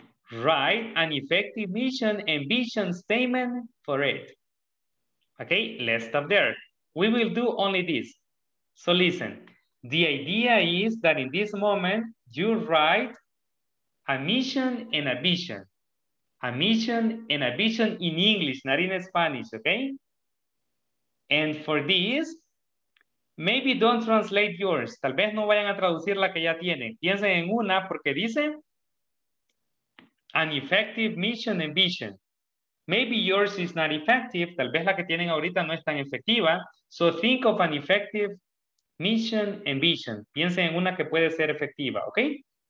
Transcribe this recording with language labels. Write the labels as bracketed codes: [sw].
[en] Write an effective mission and vision statement for it. Okay, let's stop there. We will do only this. So listen, the idea is that in this moment, you write a mission and a vision. A mission and a vision in English, not in Spanish, okay? And for this, maybe don't translate yours. [es] Tal vez no vayan a traducir la que ya tienen. Piensen en una porque dice [en] an effective mission and vision. Maybe yours is not effective. [es] Tal vez la que tienen ahorita no es tan efectiva. [en] So think of an effective mission and vision. [es] Piensen en una que puede ser efectiva, okay?